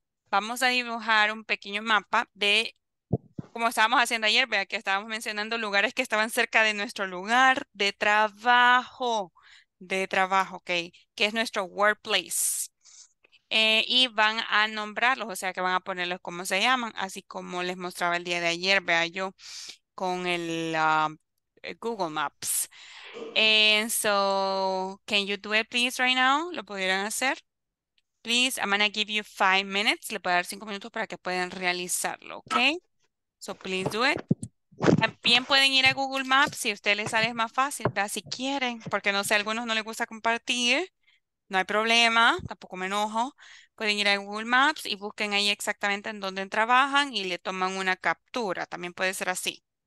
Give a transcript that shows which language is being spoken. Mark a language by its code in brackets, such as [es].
[es] Vamos a dibujar un pequeño mapa de, como estábamos haciendo ayer, vea que estábamos mencionando lugares que estaban cerca de nuestro lugar de trabajo. De trabajo, ok. Que es nuestro workplace. Y van a nombrarlos, o sea que van a ponerlos como se llaman, así como les mostraba el día de ayer, vea yo, con el Google Maps. [en] And so, can you do it please right now? [es] ¿Lo pudieran hacer? [en] Please, I'm gonna give you 5 minutes. [es] Le puedo dar 5 minutos para que puedan realizarlo, ok? [en] So, please do it. [es] También pueden ir a Google Maps si a ustedes les sale más fácil, vea si quieren, porque no sé, a algunos no les gusta compartir. No hay problema, tampoco me enojo. Pueden ir a Google Maps y busquen ahí exactamente en dónde trabajan y le toman una captura. También puede ser así.